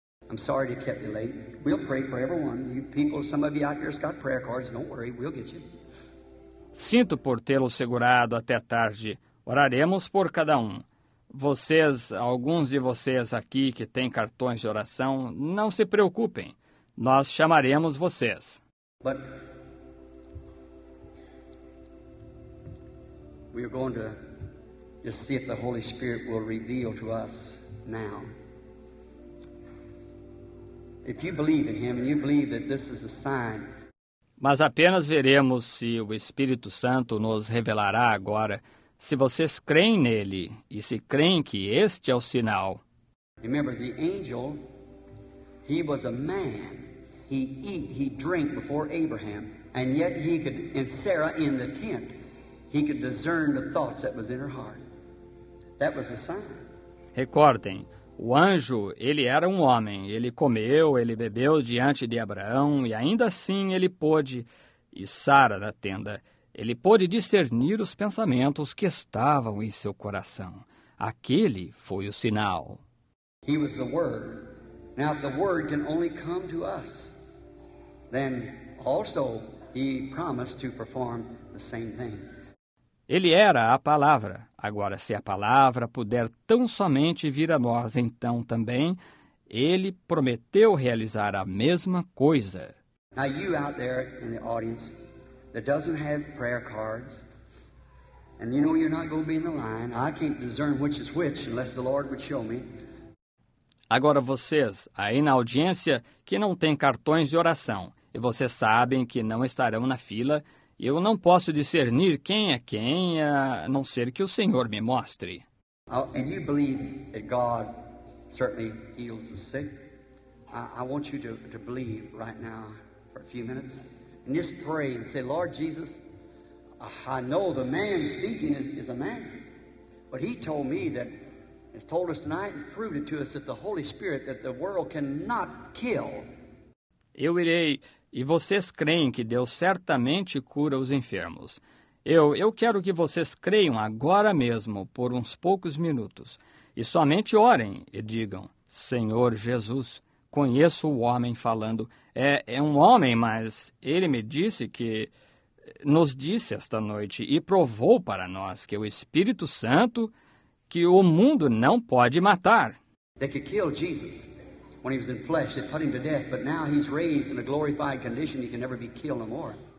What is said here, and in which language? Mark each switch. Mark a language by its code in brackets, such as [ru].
[en] I'm sorry to keep you late. We'll pray for everyone. You people, some of you out here's got prayer cards. Don't worry, we'll get you. [pt] Sinto por tê-lo segurado até tarde. Oraremos por cada um. Vocês, alguns de vocês aqui que têm cartões de oração, não se preocupem. Nós chamaremos vocês. [en] But we are going to just see if the Holy Spirit will reveal to us now. If you believe in Him and you believe that this is a sign. [pt] Mas apenas veremos se o Espírito Santo nos revelará agora, se vocês creem nele e se creem que este é o sinal. [en] Remember the angel, he was a man. He eat, he drank before Abraham, and yet he could, in Sarah in the tent, he could discern the thoughts that was in her heart. That was a sign. [pt] Recordem, o anjo, ele era um homem, ele comeu, ele bebeu diante de Abraão, e ainda assim ele pôde, e Sara na tenda, ele pôde discernir os pensamentos que estavam em seu coração. Aquele foi o sinal. [en] He was the Word. Now, if the Word can only come to us, then also He promised to perform the same thing. [pt] Ele era a palavra. Agora, se a palavra puder tão somente vir a nós, então também, Ele prometeu realizar a mesma coisa. [en] Now, you out there in the audience that doesn't have prayer cards, and you know you're not going to be in the line, I can't discern which is which unless the Lord would show me. [pt] Agora, vocês aí na audiência que não têm cartões de oração, e vocês sabem que não estarão na fila, eu não posso discernir quem é quem, a não ser que o Senhor me mostre. [en] And you believe that God certainly heals the sick? I want you to believe right now for a few minutes. And just pray and say, Lord Jesus, I know the man speaking is a man. But he told me that, has told us tonight and proved it to us that the Holy Spirit, that the world cannot kill. [pt] Eu irei... E vocês creem que Deus certamente cura os enfermos. Eu quero que vocês creiam agora mesmo, por uns poucos minutos, e somente orem e digam, Senhor Jesus, conheço o homem falando. É um homem, mas ele me disse que... Nos disse esta noite e provou para nós que o Espírito Santo, que o mundo não pode matar. [en] They could kill Jesus. When he was in flesh, they put him to death, but now he's raised in a glorified condition, he can never be killed no more.